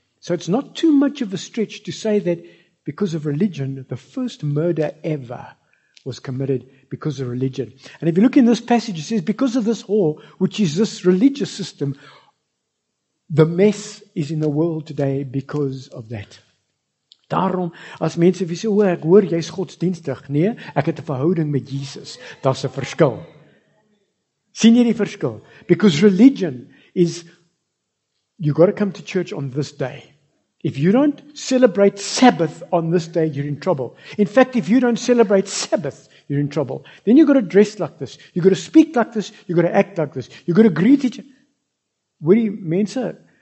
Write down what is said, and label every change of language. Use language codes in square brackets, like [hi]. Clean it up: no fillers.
[en] So it's not too much of a stretch to say that because of religion, the first murder ever was committed because of religion. And if you look in this passage, it says, because of this whore, which is this religious system, the mess is in the world today because of that. [af] Daarom, as mense wie sê, oh, ek hoor, jy is godsdienstig. Nee, ek het 'n verhouding met Jesus. Dat is 'n verskil. Sien jy die verskil? [en] Because religion is, you got to come to church on this day. If you don't celebrate Sabbath on this day, you're in trouble. In fact, if you don't celebrate Sabbath, you're in trouble. Then you've got to dress like this. You've got to speak like this. You've got to act like this. You've got to greet each other. What do you mean, sir?